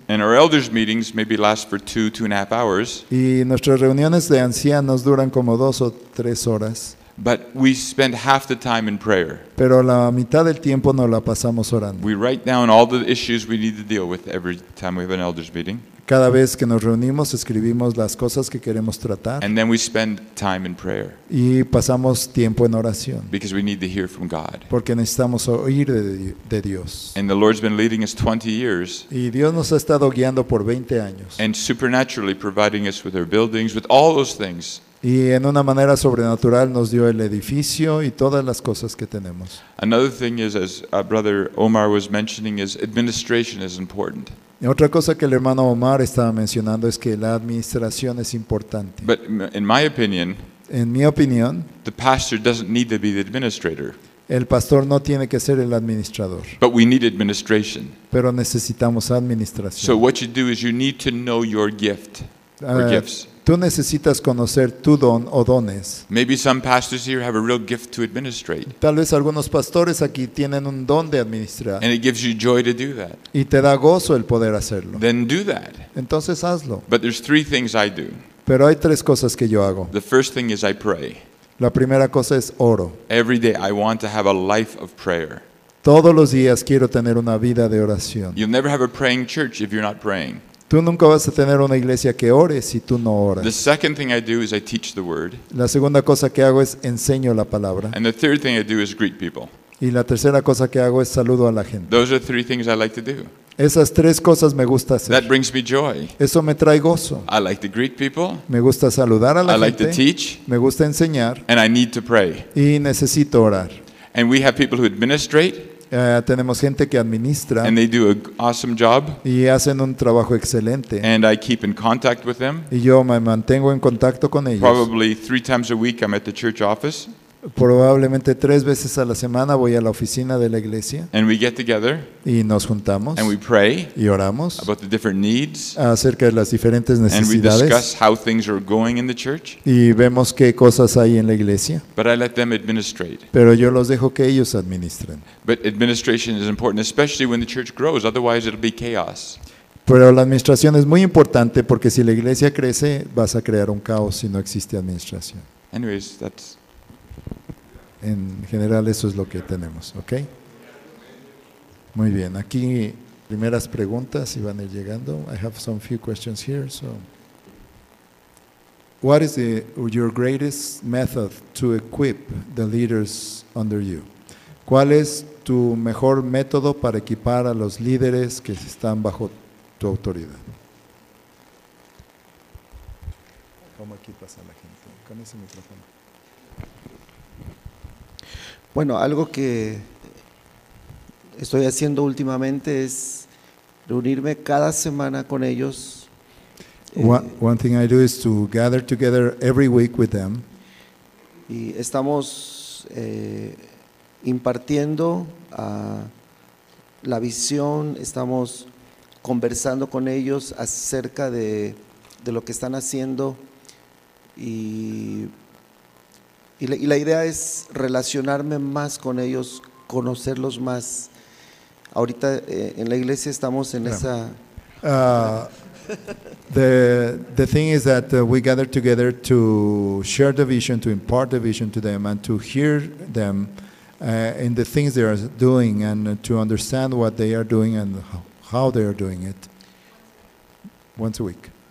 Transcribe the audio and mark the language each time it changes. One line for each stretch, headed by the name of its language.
English: And our elders' meetings maybe last for 2 to 2.5 hours.
Spanish: Y nuestras reuniones de ancianos duran como 2 o 3 horas.
English: But we spend half the time in prayer.
Spanish: Pero la mitad del tiempo nos la pasamos orando.
English: We write down all the issues we need to deal with every time we have an elders' meeting.
Spanish: Cada vez que nos reunimos, escribimos las cosas que queremos tratar.
English: And then we spend time in prayer.
Spanish: Y pasamos tiempo en oración.
English: Because we need to hear from God.
Spanish: Porque necesitamos oír de Dios.
English: And the Lord's been leading us 20 years.
Spanish: Y Dios nos ha estado guiando por 20 años.
English: And supernaturally providing us with our buildings, with all those things.
Spanish: Y en una manera sobrenatural nos dio el edificio y todas las cosas que tenemos.
English: Another thing is, as Brother Omar was mentioning, is administration is important.
Spanish: Y otra cosa que el hermano Omar estaba mencionando es que la administración es importante.
English: But in my opinion,
Spanish: en mi opinión,
English: the pastor doesn't need to be the administrator.
Spanish: El pastor no tiene que ser el administrador.
English: But we need administration.
Spanish: Pero necesitamos administración.
English: So what you do is you need to know your gift or gifts.
Spanish: Tú necesitas conocer tu don o dones.
English: Maybe some pastors here have a real gift to administrate.
Spanish: Tal vez algunos pastores aquí tienen un don de administrar.
English: And it gives you joy to do that.
Spanish: Y te da gozo el poder hacerlo.
English: Then do that.
Spanish: Entonces hazlo.
English: But there's 3 things I do.
Spanish: Pero hay 3 cosas que yo hago.
English: The first thing is I pray.
Spanish: La primera cosa es oro.
English: Every day I want to have a life of prayer.
Spanish: Todos los días quiero tener una vida de oración.
English: You'll never have a praying church if you're not praying.
Spanish: Tú nunca vas a tener una iglesia que ore si tú no oras.
English: The second thing I do is I teach the word.
Spanish: La segunda cosa que hago es enseño la palabra.
English: And the third thing I do is greet people.
Spanish: Y la tercera cosa que hago es saludo a la gente.
English: Those are 3 things I like to do.
Spanish: Esas 3 cosas me gusta hacer.
English: That brings me joy.
Spanish: Eso me trae gozo.
English: I like to greet people.
Spanish: Me gusta saludar a la gente.
English: I like to teach.
Spanish: Me gusta enseñar.
English: And I need to pray.
Spanish: Y necesito orar.
English: And we have people who administrate.
Spanish: Tenemos gente que administra.
English: And they do an awesome job.
Spanish: Y hacen un trabajo excelente.
English: And I keep in contact with them.
Spanish: Y yo me mantengo en contacto con ellos.
English: Probably 3 times a week I'm at the church office.
Spanish: Probablemente 3 veces a la semana voy a la oficina de la iglesia.
English: And we get together.
Spanish: Y nos juntamos.
English: And we pray.
Spanish: Y oramos.
English: About the different needs.
Spanish: Acerca de las diferentes necesidades.
English: And we discuss how things are going in the church.
Spanish: Y vemos qué cosas hay en la iglesia.
English: But I let them administrate.
Spanish: Pero yo los dejo que ellos administren.
English: But administration is important, especially when the church grows. Otherwise, it'll be chaos.
Spanish: Pero la administración es muy importante porque si la iglesia crece, vas a crear un caos si no existe administración.
English: Anyways, that's.
Spanish: En general, eso es lo que tenemos, ¿ok? Muy bien. Aquí primeras preguntas y van a ir llegando.
English: I have some few questions here. So, what is your greatest method to equip the leaders under you?
Spanish: ¿Cuál es tu mejor método para equipar a los líderes que están bajo tu autoridad? ¿Cómo equipas a la gente? Con ese micrófono. Bueno, algo que estoy haciendo últimamente es reunirme cada semana con ellos.
English: One thing I do is to gather together every week with them.
Spanish: Y estamos impartiendo la visión, estamos conversando con ellos acerca de lo que están haciendo y la idea es relacionarme más con ellos, conocerlos más. Ahorita en la iglesia estamos en esa...
English: The thing is that we gather together to share the vision, to impart the vision to them and to hear them in the things they are doing and to understand what they are doing and how they are doing it once a week.